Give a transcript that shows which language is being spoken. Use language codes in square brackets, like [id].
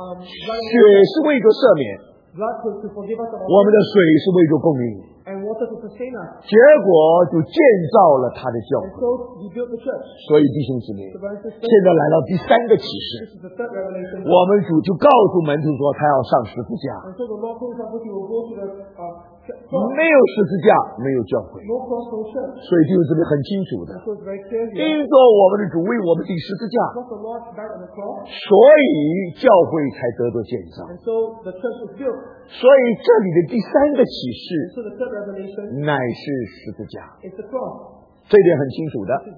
[zh] 血是为着赦免，我们的水是为着供应。 [en] And water to sustain us. [zh] 结果就建造了他的教会。 [en] And so he built the church. [zh] 所以弟兄姊妹，现在来到第三个启示。 [en] This is the third revelation. [zh] 我们主就告诉门徒说他要上十字架。 [en] And so the Lord told us he will go to the [zh] 没有十字架没有教会。 [en] No cross, no church. [zh] 所以弟兄姊妹很清楚的。 [en] And so it's very clear here. [zh] 因着我们的主为我们钉十字架。 [en] Because the Lord died on the cross. [zh] 所以教会才得到建造。 [en] And so the church was built. [zh] 所以这里的第三个启示乃是十字架，这点很清楚的。